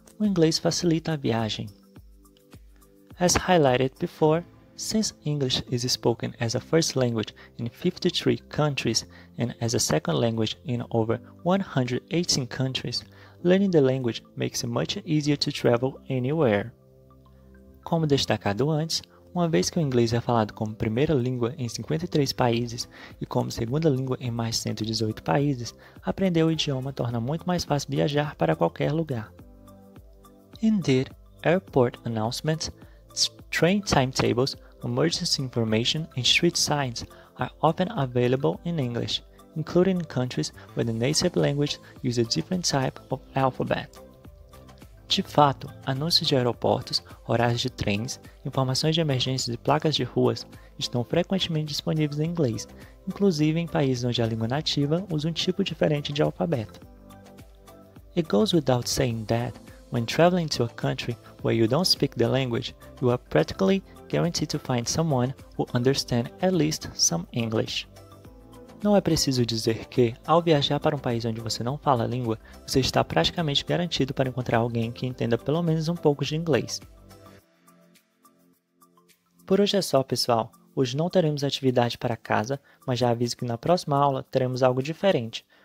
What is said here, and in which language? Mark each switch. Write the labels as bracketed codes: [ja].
[pt] O inglês facilita a viagem. [en] As highlighted before, since English is spoken as a first language in 53 countries and as a second language in over 118 countries, learning the language makes it much easier to travel anywhere. [pt] Como destacado antes, uma vez que o inglês é falado como primeira língua em 53 países e como segunda língua em mais 118 países, aprender o idioma torna muito mais fácil viajar para qualquer lugar. [en] Indeed, airport announcements, train timetables, emergency information and street signs are often available in English, including in countries where the native language uses a different type of alphabet. [pt] De fato, anúncios de aeroportos, horários de trens, informações de emergências e placas de ruas estão frequentemente disponíveis em inglês, inclusive em países onde a língua nativa usa tipo diferente de alfabeto. [en] It goes without saying that, when traveling to a country where you don't speak the language, you are practically guaranteed to find someone who understands at least some English. [pt] Não é preciso dizer que, ao viajar para um país onde você não fala a língua, você está praticamente garantido para encontrar alguém que entenda pelo menos um pouco de inglês. Por hoje é só, pessoal. Hoje não teremos atividade para casa, mas já aviso que na próxima aula teremos algo diferente.